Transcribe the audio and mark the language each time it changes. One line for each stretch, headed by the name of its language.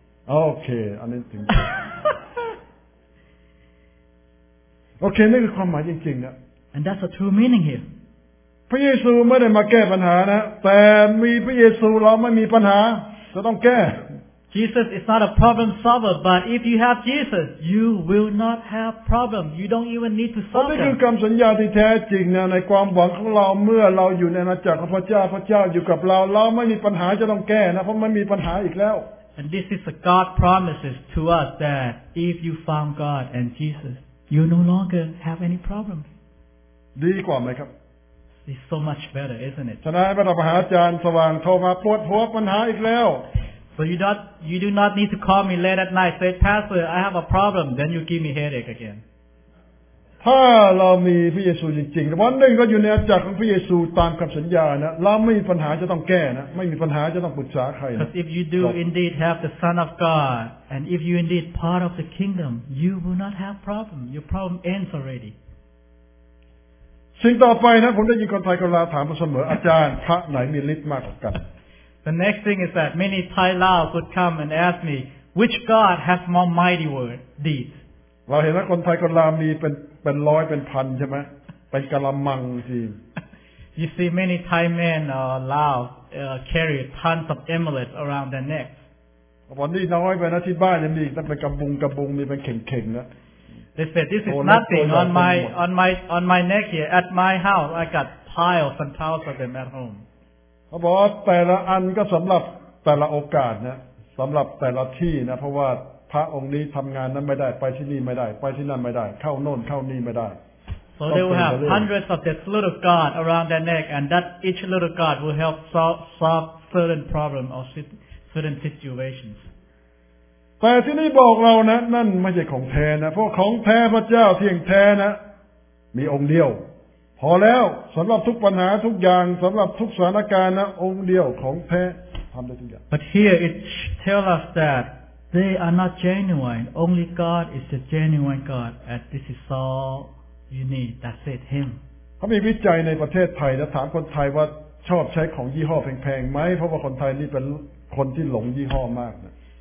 Thai: โอเคอันนี้ถึงโอเคนี่คือความหมายจริงๆนะ
English: And that's a true meaning here.
Thai: พระเยซูไม่ได้มาแก้ปัญหานะแต่มีพระเยซูเราไม่มีปัญหาจะต้องแก้
English: Jesus is not a problem solver but if you have Jesus you will not have problem you don't even need to solve
Thai: นี่คือคำสัญญาที่แท้จริงนะในความหวังของเราเมื่อเราอยู่ในอาณาจักรพระเจ้าพระเจ้าอยู่กับเราไม่มีปัญหาจะต้องแก้นะเพราะไม่มีปัญหาอีกแล้ว
English: And this is a God promises to us that if you found God and JesusYou no longer have any problems.
Thai: ดีกว่าไหมครับ
English: It's so much better, isn't it?
Thai: ฉะนั้นพระมหาจารย์สว่างโทรมาปวดหัวปัญหาอีกแล้ว
English: So you do not need to call me late at night. Say, Pastor, I have a problem. Then you give me headache again.
Thai: ถ้าเรามีพระเยซูจริงๆวันหนึ่งก็อยู่ในอาณาจักรของพระเยซูตามคำสัญญานะเราไม่มีปัญหาจะต้องแก้นะไม่มีปัญหาจะต้องปรึกษาใคร
English: Because if you do indeed have the Son of God and if you indeed part of the kingdom you will not have problem your problem ends already
Thai: สิ่งต่อไปนะผมได้ยินคนไทยคนลาวถามมาเสมออาจารย์พระไหนมีฤทธิ์มากกว่ากัน
English: The next thing is that many Thai Lao would come and ask me which God has more mighty word deeds
Thai: เราเห็นว่าคนไทยคนลาวมีเป็นร้อยเป็นพันใช่ไหมเป็นกะละมังทีม
English: You see many Thai men Lao carry tons of amulets around their necks
Thai: วันนี้น้อยไปนะที่บ้านยังมีตั้งเป็นกระบุงมีเป็นเข่งๆนะ
English: They said this is nothing on my neck here at my house I got piles and piles of them at home
Thai: เขาบอกว่าแต่ละอันก็สำหรับแต่ละโอกาสนะสำหรับแต่ละที่นะเพราะว่าพระองค์นี้ทำงานนั้นไม่ได้ไปที่นี่ไม่ได้ไปที่นั่นไม่ได้เข้าโน่นเข้านี่ไม่ได้
English: So they will have hundreds of this little god around their neck and that each little god will help solve certain problem or certain situations
Thai: แต่ที่นี่บอกเรานะนั่นไม่ใช่ของแท้นะเพราะของแท้พระเจ้าเที่ยงแท้นะมีองค์เดียวพอแล้วสำหรับทุกปัญหาทุกอย่างสำหรับทุกสถานการณ์นะองค์เดียวของแท้ทำได้ทุกอย่าง
English: But here it tells us that They are not genuine. Only God is the genuine God, and this is all you need. That's it. Him.
Thai: เขามีวิจัยในประเทศไทยและถามคนไทยว่าชอบใช้ของยี่ห้อแพงๆไหมเพราะว่าคนไทยนี่เป็นคนที่หลงยี่ห้อมากนะ